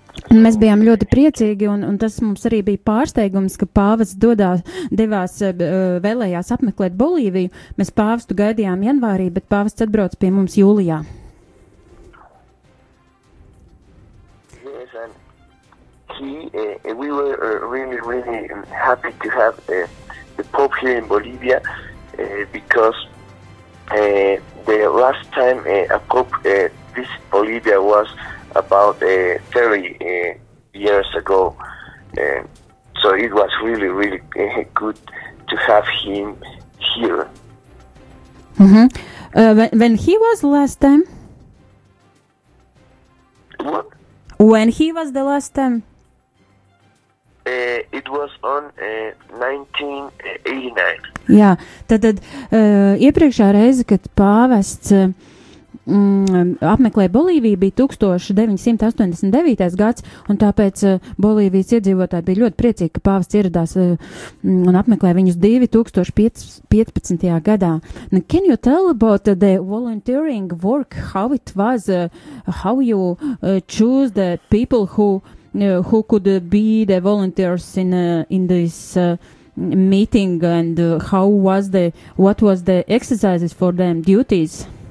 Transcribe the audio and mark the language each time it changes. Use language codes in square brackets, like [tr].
[lv] Mēs bijām ļoti priecīgi, un tas mums arī bija pārsteigums, ka pāvests vēlējās apmeklēt Bolīviju. Mēs pāvestu gaidījām janvārī, bet pāvests atbrauc pie mums jūlijā. [en] Yes, and we were really, really happy to have the Pope here in Bolivia, because the last time a Pope visited Bolivia was about 30 years ago. So it was really, really good to have him here. Mm-hmm. When he was last time? What? When he was the last time? It was on 1989. [lv] Jā, tad iepriekšā reize, kad pāvests apmeklē Bolīviju, bija 1989. Gads, un tāpēc Bolīvijas iedzīvotāji bija ļoti priecīgi, ka pāvests ieradās un apmeklē viņus 2015. Gadā. [en] Now, can you tell about the volunteering work, how it was, how you choose the people who could be the volunteers in this meeting, and what was the exercises for them, duties?